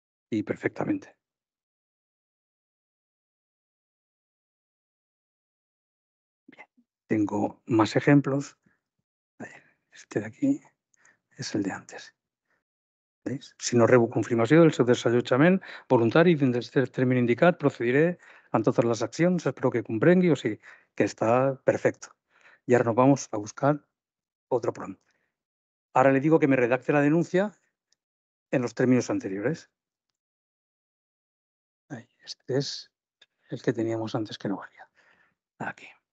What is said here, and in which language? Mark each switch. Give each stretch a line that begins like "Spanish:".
Spanish: y perfectamente. Bien. Tengo más ejemplos. Este de aquí es el de antes. ¿Veis?
Catalan: Si no rebo confirmació del seu desallotjament voluntari dins del termini indicat, procediré en totes les accions, espero que comprengui, o sigui, que està perfecte. I ara
Spanish: nos vamos a buscar otro prompt.
Catalan: Ara li
Spanish: digo que me redacte la denuncia en los términos anteriores. Ahí, este es el que teníamos antes que no valía. Aquí.